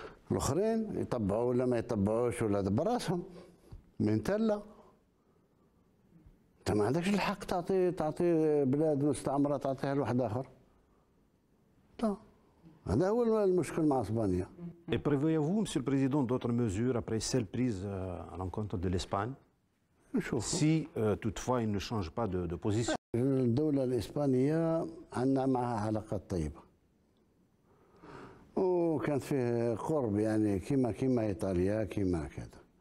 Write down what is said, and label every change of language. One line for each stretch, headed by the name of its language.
Arabic: الاخرين يطبعوا ولا ما يطبعوش ولا براسهم، من تلا انت ما عندكش الحق تعطي بلاد مستعمره تعطيها لواحد اخر. لا، هذا هو المشكل مع اسبانيا.
French: Et prévoyez-vous, monsieur le président, d'autres mesures après celles prises à l'encontre de l'Espagne si toutefois il ne change pas de position.
Arabic: الدوله الاسبانيه عندنا معها علاقات طيبه، وكانت فيه قرب يعني كيما ايطاليا كيما كذا.